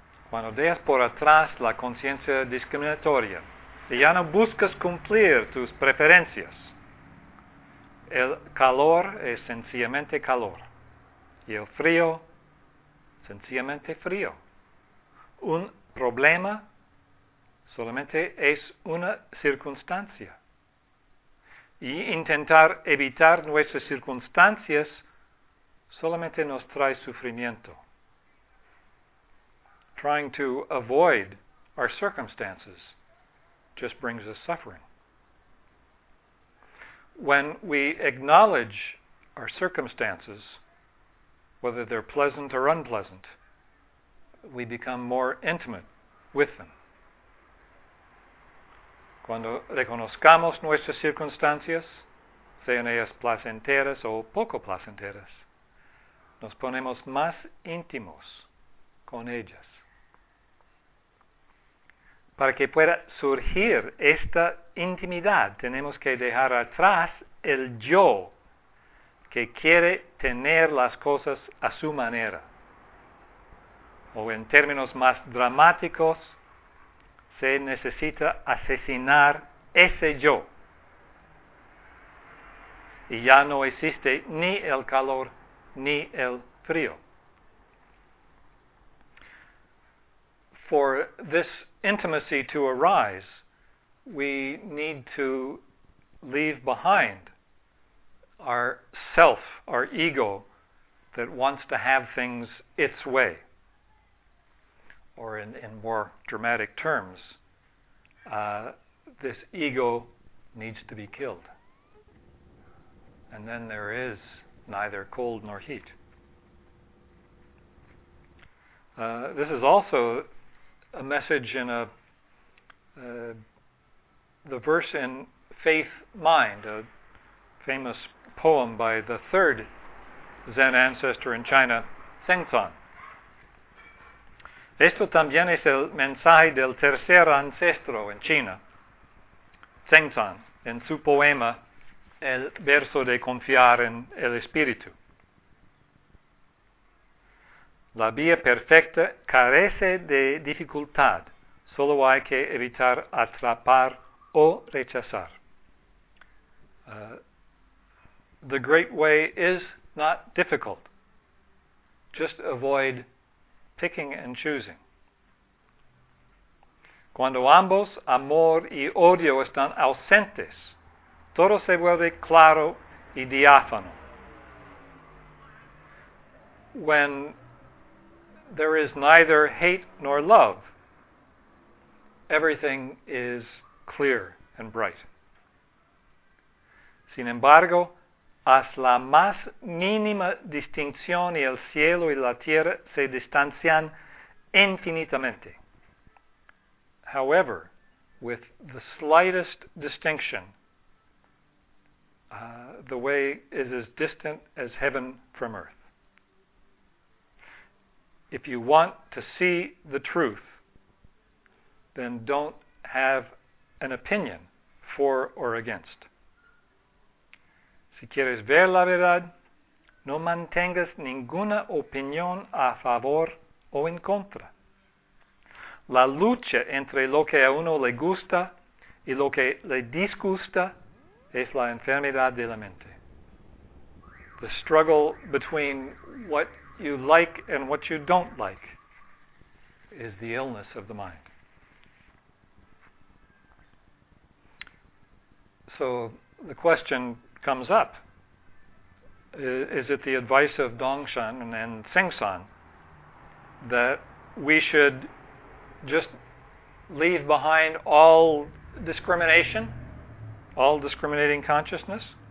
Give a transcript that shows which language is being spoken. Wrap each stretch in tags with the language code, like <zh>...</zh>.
<es>Cuando dejas por atrás la conciencia discriminatoria y ya no buscas cumplir tus preferencias, el calor es sencillamente calor y el frío, sencillamente frío. Un problema solamente es una circunstancia. Y intentar evitar nuestras circunstancias solamente nos trae sufrimiento.</es> <en>Trying to avoid our circumstances just brings us suffering. When we acknowledge our circumstances, whether they're pleasant or unpleasant, we become more intimate with them.</en> <es>Cuando reconozcamos nuestras circunstancias, sean ellas placenteras o poco placenteras, nos ponemos más íntimos con ellas. Para que pueda surgir esta intimidad, tenemos que dejar atrás el yo que quiere tener las cosas a su manera. O en términos más dramáticos, se necesita asesinar ese yo. Y ya no existe ni el calor ni el frío.</es> <en>For this intimacy to arise, we need to leave behind our self, our ego, that wants to have things its way. Or in more dramatic terms, this ego needs to be killed. And then there is neither cold nor heat. This is also a message in the verse in Faith Mind, a famous poem by the third Zen ancestor in China, Zengzong.</en> <es>Esto también es el mensaje del tercer ancestro en China, Zengzong, en su poema, el verso de confiar en el espíritu. La vía perfecta carece de dificultad, solo hay que evitar atrapar o rechazar.</es> <en>The great way is not difficult. Just avoid picking and choosing.</en> <es>Cuando ambos, amor y odio, están ausentes, todo se vuelve claro y diáfano.</es> <en>When there is neither hate nor love, everything is clear and bright.</en> <es>Sin embargo, haz la más mínima distinción y el cielo y la tierra se distancian infinitamente.</es> <en>However, with the slightest distinction, the way is as distant as heaven from earth. If you want to see the truth, then don't have an opinion for or against.</en> <es>Si quieres ver la verdad, no mantengas ninguna opinión a favor o en contra. La lucha entre lo que a uno le gusta y lo que le disgusta es la enfermedad de la mente.</es> <en>The struggle between what you like and what you don't like is the illness of the mind. So the question comes up, is it the advice of Dongshan and Singsan that we should just leave behind all discrimination, all discriminating consciousness?</en>